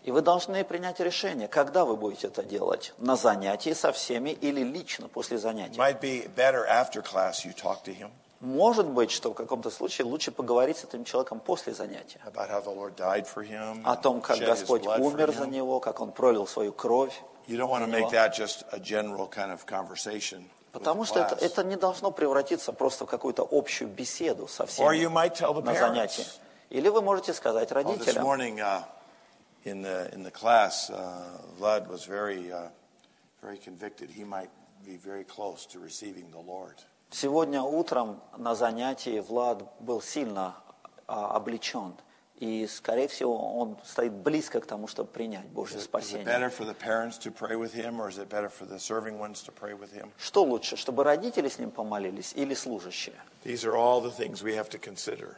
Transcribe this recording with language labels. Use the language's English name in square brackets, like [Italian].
[Russian] И вы должны принять решение, когда вы будете это делать: на занятии со всеми или лично после занятий. [English] Might be better after class. You talk to him. [Russian] Может быть, что в каком-то случае лучше поговорить с этим человеком после занятия. [English] About how the Lord died for him. [Russian] О том, как Господь умер за него, как Он пролил свою кровь. [English] You don't want to make that just a general kind of conversation. [Russian] Потому что это не должно превратиться просто в какую-то общую беседу со всеми. [English] Or you might tell the parents. [Russian] Или вы можете сказать родителям. [English] This morning in the class, Vlad was very very convicted. He might be very close to receiving the Lord. [Russian] Сегодня утром на занятии Влад был сильно облечен. И, скорее всего, он стоит близко к тому, чтобы принять Божье спасение. Что лучше, чтобы родители с ним помолились или служащие?